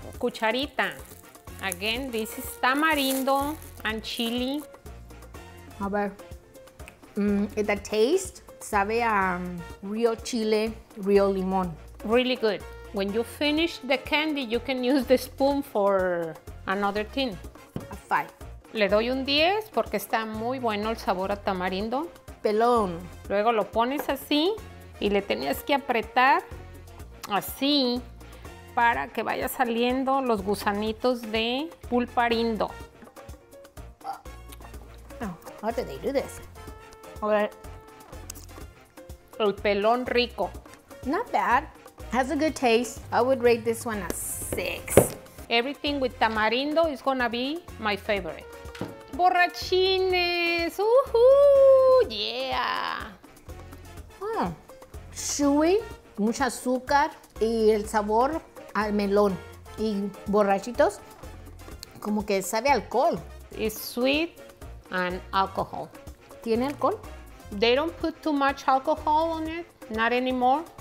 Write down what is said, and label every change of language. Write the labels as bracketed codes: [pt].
[en] Cucharita. Again, this is tamarindo and chili. [es] A ver. [en] The taste, [es] sabe a real chile, real limon. [en] Really good. When you finish the candy, you can use the spoon for another thing. A 5. [es] Le doy un 10 porque está muy bueno el sabor a tamarindo. Pelón. Luego lo pones así y le tenías que apretar así para que vaya saliendo los gusanitos de pulparindo. [en] Oh, how did they do this? [es] El pelón rico. [en] Not bad. Has a good taste. I would rate this one a 6. Everything with tamarindo is gonna be my favorite. Borrachines, yeah. [es] Chewy, mucha azúcar y el sabor al melón y borrachitos, como que sabe a alcohol. [en] It's sweet and alcohol. [es] ¿Tiene alcohol? [en] They don't put too much alcohol on it, not anymore.